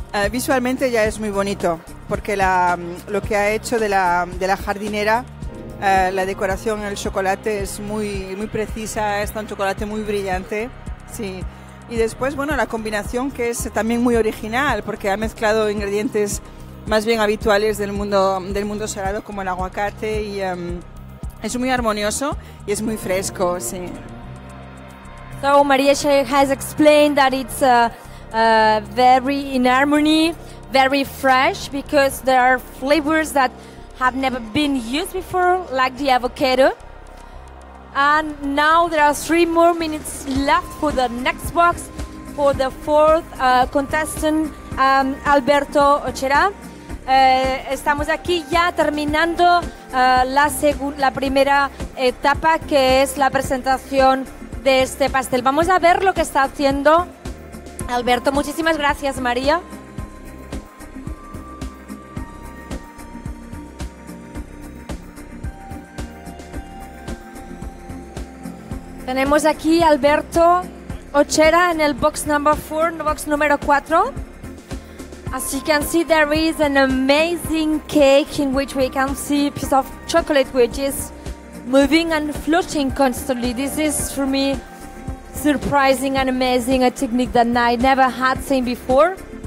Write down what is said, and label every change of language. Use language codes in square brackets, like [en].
[es] Visualmente ya es muy bonito, porque lo que ha hecho de la jardinera, la decoración, el chocolate es muy, muy precisa, es un chocolate muy brillante. Sí. Y después, bueno, la combinación, que es también muy original, porque ha mezclado ingredientes más bien habituales del mundo salado, como el aguacate, y es muy armonioso y es muy fresco, sí. [en] So María has explained that it's very in harmony, very fresh, because there are flavors that have never been used before, like the avocado. And now there are 3 more minutes left for the next box, for the fourth contestant, Alberto Ochera. [es] Estamos aquí ya terminando la primera etapa, que es la presentación de este pastel. Vamos a ver lo que está haciendo Alberto. Muchísimas gracias, María. Tenemos aquí a Alberto Ochera en el box número 4. [en] As you can see, there is an amazing cake in which we can see a piece of chocolate which is moving and floating constantly. This is, for me, surprising and amazing, a technique that I never had seen before.